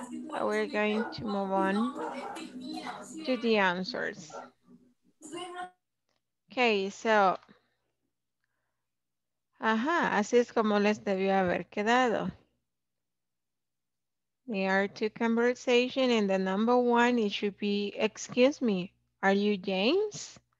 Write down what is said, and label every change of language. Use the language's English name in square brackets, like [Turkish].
[English] But we're going to move on to the answers. Okay, so. [Spanish] Ajá, así es como les debió haber quedado. [English] There are two conversations, and the number one, it should be, excuse me, are you James?